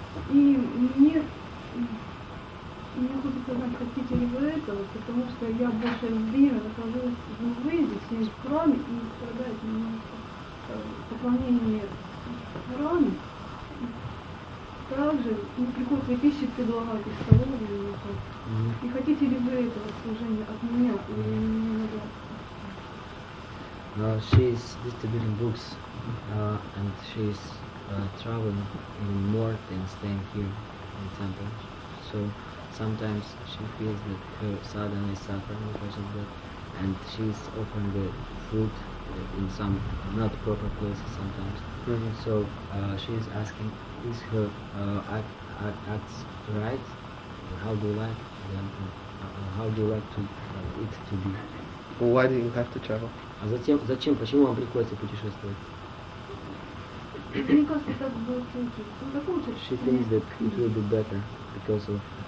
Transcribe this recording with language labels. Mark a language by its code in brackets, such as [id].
[ru] И мне хочется знать, хотите ли вы этого, потому что я большее время нахожусь в выезде, сижу в храме и страдает немножко поклонение храме. Также мне приходится и пищи предлагать, и столовую, и так. И хотите ли вы этого служения от меня, или мне надо? [en] She is distributing books, and she is traveling even more than staying here in the temple. So sometimes she feels that her sadhana is suffering because of that, and she's offering the food in some not proper places sometimes. Mm-hmm. So she is asking, is her acts right? How do you like them? How do you like to it to be? Well, why do you have to travel? [ru] А затем, зачем, почему вам приходится путешествовать? [en] She thinks that it will be better because of